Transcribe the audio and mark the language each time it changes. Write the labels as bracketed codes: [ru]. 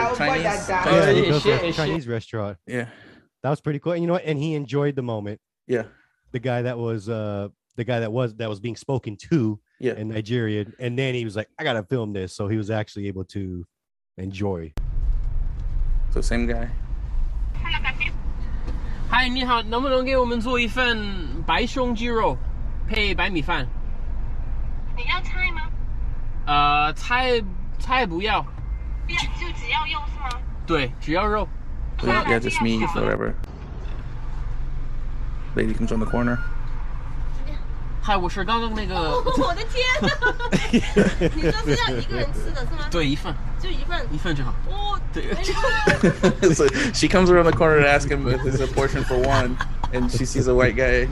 [en] I love you, thank you. I love you, white boy. Thank you, you make me so proud. Thank you, thank you. I love you. Thank you. Thank you. Yeah, I love you. White boy, can you Chinese restaurant. Yeah, that was pretty cool. And you know what? And he enjoyed the moment. Yeah, the guy that was the guy that was being spoken to in Nigeria, and then he was like, I gotta film this, so he was actually able to enjoy. So same guy. [zh] Hi, 你好，能不能给我们做一份白熊鸡肉配白米饭？你要菜吗？菜不要。不要，就只要肉是吗？对，只要肉。 [en] Yeah, just me, whatever. Lady comes on the corner. [zh] Hi, 我是刚刚那个。我的天！你说是要一个人吃的是吗？对，一份。就一份。一份就好。哦。对。 [en] So she comes around the corner to ask him if it's a portion for one, and she sees a white guy.